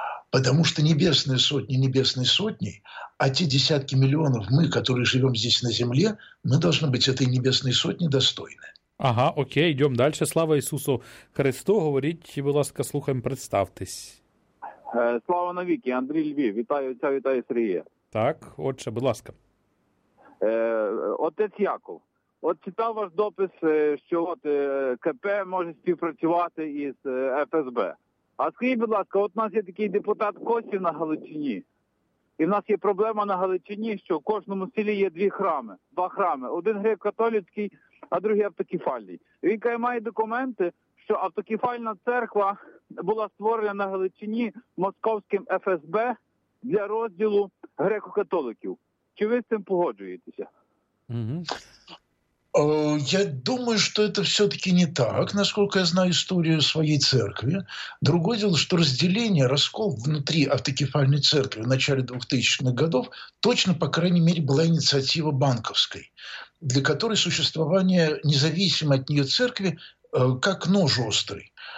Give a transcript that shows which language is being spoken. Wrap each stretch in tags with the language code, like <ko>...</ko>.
<ru>Потому что небесные сотни – небесные сотни, а те десятки миллионов, мы, которые живем здесь на земле, мы должны быть этой небесной сотни достойны. Ага, окей, идем дальше. Слава Иисусу Христу, говорите, пожалуйста, слухаем, представьтесь.</ru> <uk>Слава навіки, Андрій Львів, вітаю отця, вітаю Сергія. Так, отче, будь ласка. Отець Яков, от читав ваш допис, що от КП може співпрацювати із ФСБ. А скажіть, будь ласка, от у нас є такий депутат Костів на Галичині, і в нас є проблема на Галичині, що в кожному селі є дві храми, два храми. Один греко-католицький, а другий автокефальний. Він каже, має документи, що автокефальна церква була створена на Галичині московським ФСБ для розділу греко-католиків. Чи ви з цим погоджуєтеся? Угу.</uk> <ru>Я думаю, что это все-таки не так, насколько я знаю историю своей церкви. Другое дело, что разделение, раскол внутри автокефальной церкви в начале 2000-х годов точно, по крайней мере, была инициатива банковской, для которой существование независимо от нее церкви как нож острый.</ru>